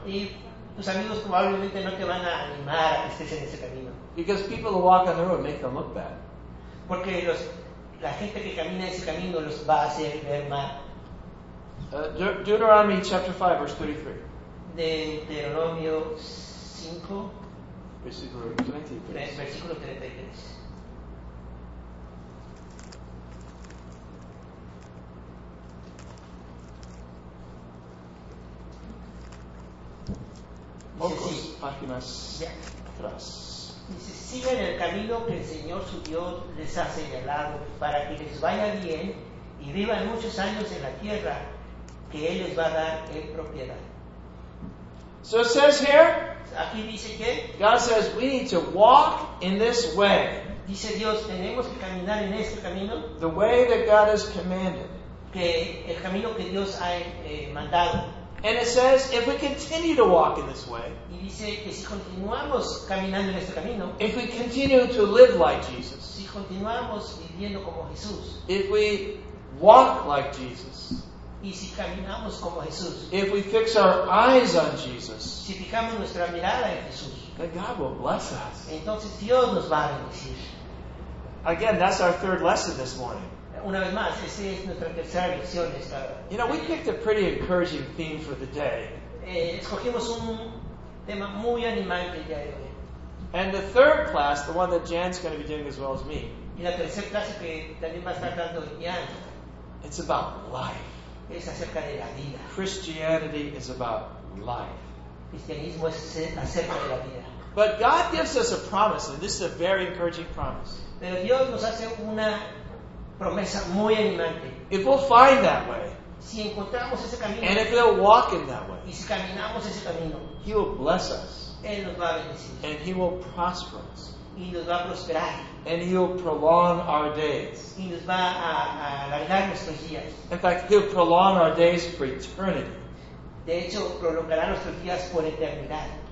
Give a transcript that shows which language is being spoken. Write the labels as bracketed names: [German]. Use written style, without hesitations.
[Spanish] Y tus amigos probablemente no te van a animar a que estés en ese camino. [English] Because people who walk on the road make them look bad. [Spanish] Porque los la gente que camina ese camino los va a hacer ver mal. [English] Deuteronomy chapter 5 verse 33. [Spanish] Deuteronomio 5 versículo 33. Versículo 33. Pocos páginas atrás. Dice, sigan el camino que el Señor su Dios les ha señalado para que les vaya bien y vivan muchos años en la tierra que Él les va a dar en propiedad. [English] So it says here, [Spanish] aquí dice que [English] God says, we need to walk in this way. [Spanish] Dice Dios, tenemos que caminar en este camino. [English] The way that God has commanded. [Spanish] Que el camino que Dios ha mandado. [English] And it says, if we continue to walk in this way, [Spanish] y dice que si continuamos caminando en este camino, [English] if we continue to live like Jesus, [Spanish] si continuamos viviendo como Jesús, [English] if we walk like Jesus, [Spanish] y si caminamos como Jesús, [English] if we fix our eyes on Jesus, [Spanish] si fijamos nuestra mirada en Jesús, [English] then God will bless us. [Spanish] Entonces Dios nos va a bendecir. [English] Again, that's our third lesson this morning. [Spanish] Una vez más, esa es nuestra tercera lección esta. [English] You know, we picked a pretty encouraging theme for the day. [Spanish] escogimos un tema muy animante ya de hoy. [English] And the third class, the one that Jan's going to be doing as well as me. [Spanish] Y la tercera clase que también va a estar dando Jan. [English] It's about life. [Spanish] Es acerca de la vida. [English] Christianity is about life. [Spanish] Cristianismo es acerca de la vida. [English] But God gives us a promise, and this is a very encouraging promise. [Spanish] Pero Dios nos hace una promesa muy animante. [English] If we'll find that way, [Spanish] si encontramos ese camino, [English] and if we'll walk in that way, [Spanish] y si caminamos ese camino, [English] He will bless us. [Spanish] Él nos va a bendecir. [English] And He will prosper us. [Spanish] Y nos va a prosperar. [English] And He will prolong our days. [Spanish] Y nos va a alargar nuestros días. [English] In fact, He'll prolong our days for eternity. [Spanish] De hecho, prolongará nuestros días por eternidad.